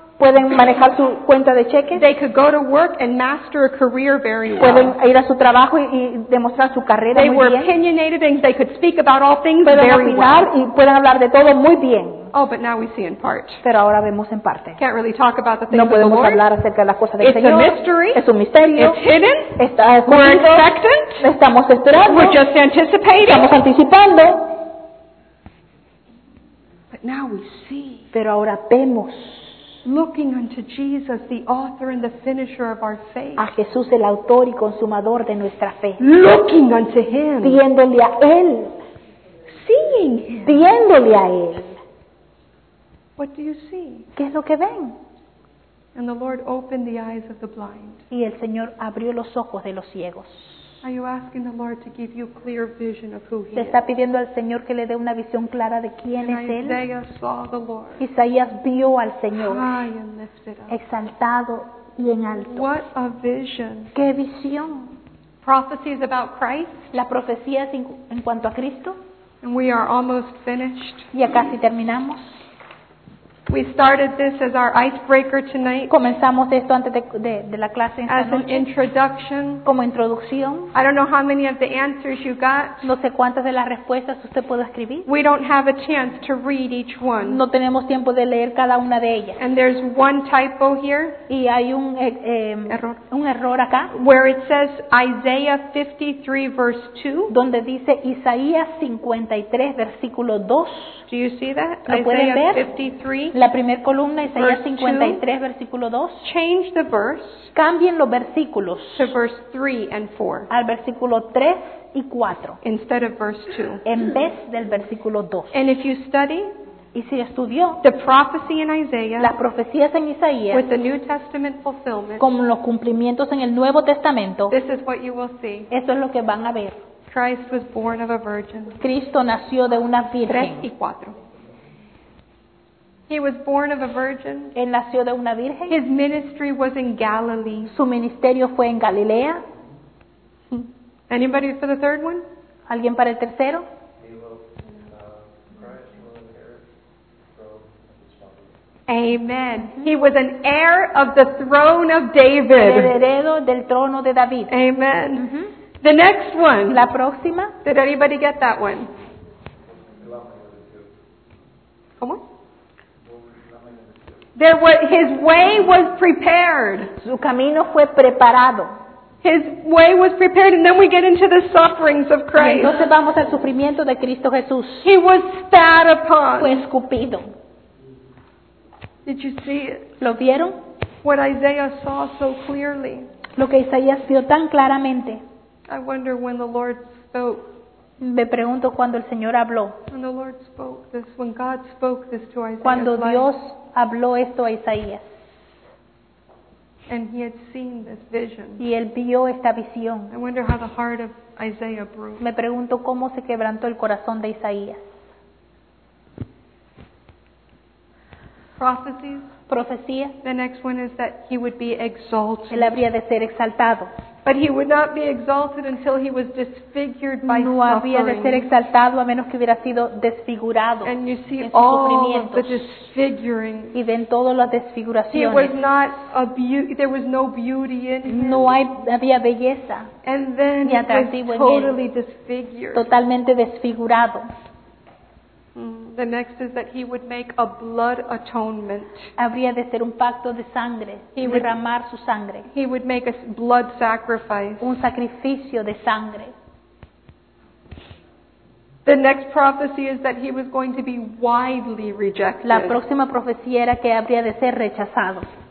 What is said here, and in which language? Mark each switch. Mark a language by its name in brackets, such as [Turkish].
[Spanish] Pueden manejar su cuenta de cheques. [English] They could go to work and master a career very well. [Spanish] Pueden ir a su trabajo y demostrar su carrera [English] they [Spanish] muy [English] were [Spanish] bien. [English] Opinionated and they could speak about all things [Spanish] pueden [English] very [Spanish] opinar [English] well. [Spanish] Y pueden hablar de todo muy bien. [English] Oh, but now we see in part. [Spanish] Pero ahora vemos en parte. [English] Can't really talk about the things [Spanish] no podemos [English] of the Lord. [Spanish] Hablar acerca de las cosas del [English] it's [Spanish] Señor. [English] A mystery. [Spanish] Es un misterio. [English] It's hidden. [Spanish] Está escondido. [English] We're expectant. [Spanish] Estamos esperando. [English] We're just anticipating. [Spanish] Estamos anticipando. [English] But now we see. [Spanish] Pero ahora vemos. [English] Looking unto Jesus, the author and the finisher of our faith. [Spanish] A Jesús, el autor y consumador de nuestra fe. [English] Looking unto him. [Spanish] Viéndole a él. [English] Seeing. seeing him. [Spanish] Viéndole a él. [English] What do you see? [Spanish] ¿Qué es lo que ven? [English] And the Lord opened the eyes of the blind. [Spanish] Y el Señor abrió los ojos de los ciegos. [English] Are you asking the Lord to give you clear vision of who he is? [Spanish] ¿Te está pidiendo al Señor que le dé una visión clara de quién es él? [English] Isaiah saw the Lord. [Spanish] Isaías vio al Señor. [English] High and lifted up. [Spanish] Exaltado y en alto. [English] What a vision. [Spanish] ¿Qué visión? [English] Prophecies about Christ. [Spanish] La profecía es en cuanto a Cristo. [English] And we are almost finished. [Spanish] Ya casi terminamos. [English] We started this as our icebreaker tonight. [Spanish] Comenzamos esto antes de la clase esta [English] noche. As an introduction. [Spanish] Como introducción. [English] I don't know how many of the answers you got. [Spanish] No sé cuántas de las respuestas usted puede escribir. [English] We don't have a chance to read each one. [Spanish] No tenemos tiempo de leer cada una de ellas. [English] And there's one typo here. [Spanish] Y hay un error acá. [English] Where it says Isaiah 53 verse 2. [Spanish] Donde dice Isaías 53 versículo 2. [English] Do you see that? [Spanish] ¿Lo pueden ver? La primera columna, Isaías 53, versículo 2. [English] Change the verse. [Spanish] Cambien los versículos. [English] To verse 3 and 4. [Spanish] Al versículo 3 y 4. [English] Instead of verse 2. [Spanish] En vez del versículo 2. [English] And if you study. [Spanish] Y si estudió. [English] The prophecy in Isaiah. [Spanish] Las profecías en Isaías. [English] With the New Testament fulfillment. [Spanish] Con los cumplimientos en el Nuevo Testamento. [English] This is what you will see. [Spanish] Eso es lo que van a ver. [English] Christ was born of a virgin. [Spanish] Cristo nació de una virgen. 3 y 4. [English] He was born of a virgin. [Spanish] Él nació de una virgen. [English] His ministry was in Galilee. [Spanish] Su ministerio fue en Galilea. [English] Anybody for the third one? [Spanish] ¿Alguien para el tercero? [English] Amen. He was an heir of the throne of David. [Spanish] El heredero del trono de David. [English] Amen. The next one. [Spanish] La próxima. [English] Did anybody get that one? [Spanish] ¿Cómo? [English] There was, his way was prepared. [Spanish] Su camino fue preparado. [English] His way was prepared, and then we get into the sufferings of Christ. [Spanish] Entonces vamos al sufrimiento de Cristo Jesús. [English] He was spat upon. [Spanish] Fue escupido. [English] Did you see it? [Spanish] ¿Lo vieron? [English] What Isaiah saw so clearly. [Spanish] Lo que Isaías vio tan claramente. [English] I wonder when the Lord spoke. [Spanish] Me pregunto cuando el Señor habló. [English] When the Lord spoke this, when God spoke this to Isaiah. [Spanish] Cuando Dios habló esto a Isaías. [English] And he had seen this vision. [Spanish] Y él vio esta visión. [English] I wonder how the heart of Isaiah broke. [Spanish] Me pregunto cómo se quebrantó el corazón de Isaías. [English] Prophecies. [Spanish] Profecía. [English] The next one is that he would be exalted. [Spanish] Él habría de ser exaltado. [English] But he would not be exalted until he was disfigured by suffering. [Spanish] No había de ser exaltado a menos que hubiera sido desfigurado. [English] And you see all the disfiguring. [Spanish] Y ven todas las desfiguraciones. [English] He was not a there was no beauty in him. [Spanish] No había belleza. [English] And then he was totally disfigured. [Spanish] Totalmente desfigurado. [English] The next is that he would make a blood atonement. [Spanish] Habría de ser un pacto de sangre, derramar su sangre. [English] He would make a blood sacrifice. [Spanish] Un sacrificio de sangre. [English] The next prophecy is that he was going to be widely rejected. [Spanish] La próxima profecía era que habría de ser rechazado.